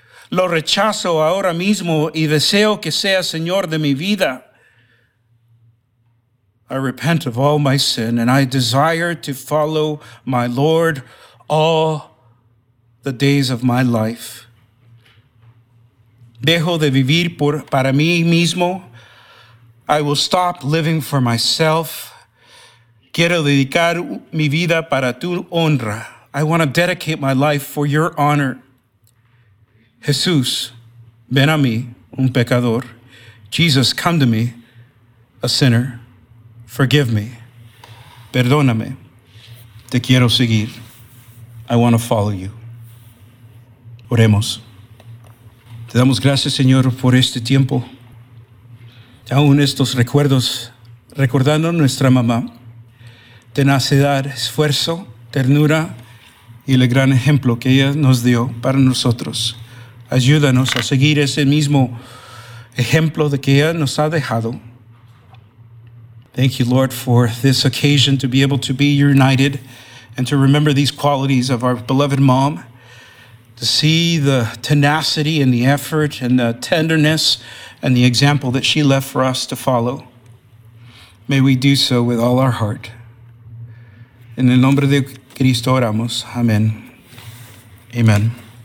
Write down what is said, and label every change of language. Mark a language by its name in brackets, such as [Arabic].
[Spanish] Lo rechazo ahora mismo y deseo que sea Señor de mi vida. [English] I repent of all my sin and I desire to follow my Lord all the days of my life. [Spanish] Dejo de vivir para mí mismo. [English] I will stop living for myself. [Spanish] Quiero dedicar mi vida para tu honra. [English] I want to dedicate my life for your honor. [Spanish] Jesús, ven a mí, un pecador. [English] Jesus, come to me, a sinner. Forgive me. [Spanish] Perdóname. Te quiero seguir. [English] I want to follow you. Oremos. [Spanish] Te damos gracias, Señor, por este tiempo. Aún estos recuerdos, recordando a nuestra mamá, tenacidad, esfuerzo, ternura y el gran ejemplo que ella nos dio para nosotros. Ayúdanos a seguir ese mismo ejemplo de que ella nos ha dejado. [English] Thank you, Lord, for this occasion to be able to be united and to remember these qualities of our beloved mom, to see the tenacity and the effort and the tenderness and the example that she left for us to follow. May we do so with all our heart. [Spanish] En el nombre de Cristo oramos. Amen. Amen.